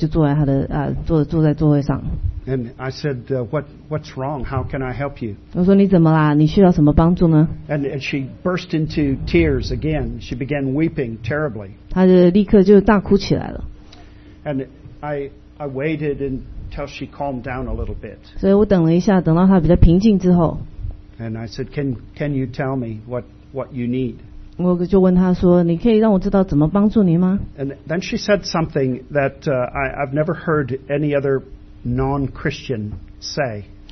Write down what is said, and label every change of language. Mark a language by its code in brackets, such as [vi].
[zh] 她看着我，我立刻就知道是她，所以我去了，就坐在她的坐在座位上。 [en] And I said, what's wrong? How can I help you? [zh] 我说你怎么啦?你需要什么帮助呢? [en] And she burst into tears again. She began weeping terribly. [zh] 她就立刻就大哭起来了。 [en] And I waited until she calmed down a little bit. [zh] 所以我等了一下，等到她比较平静之后。 [en] And I said, can you tell me what you need? [zh] 我就问她说，你可以让我知道怎么帮助你吗? [en] And then she said something that I've never heard any other non-Christian say.